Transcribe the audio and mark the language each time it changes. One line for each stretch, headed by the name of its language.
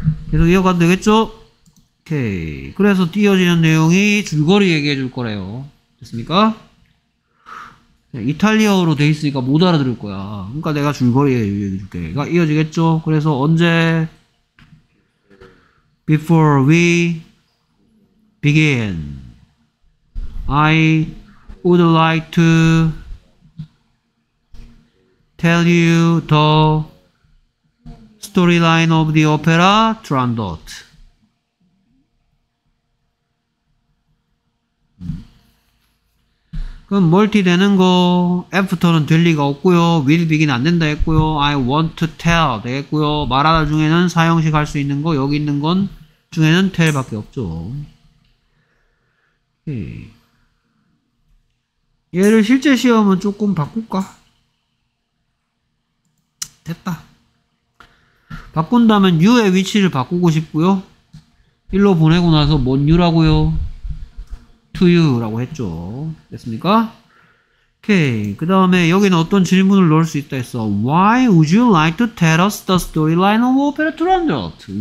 Korean: 계속 이어가도 되겠죠? 오케이. 그래서 띄어지는 내용이 줄거리 얘기해 줄 거래요. 됐습니까? 이탈리아어로 돼 있으니까 못 알아들을 거야. 그러니까 내가 줄거리 얘기해 줄게. 그러니까 이어지겠죠? 그래서 언제?
English: Before we begin, I would like to tell you the storyline of the opera Turandot.
Korean: 그럼 멀티 되는 거 after는 될 리가 없고요.
English: will begin
Korean: 안 된다 했고요.
English: I want to tell
Korean: 되겠고요. 말하다 중에는 사형식 할 수 있는 거 여기 있는 건 중에는 tell 밖에 없죠. 오케이. 얘를 실제 시험은 조금 바꿀까? 됐다. 바꾼다면 U의 위치를 바꾸고 싶고요. 일로 보내고 나서 뭔 U라고요?
English: To you
Korean: 라고 했죠. 됐습니까? 오케이. 그 다음에 여기는 어떤 질문을 넣을 수 있다 했어.
English: Why would you like to tell us the storyline of Opera Turandot?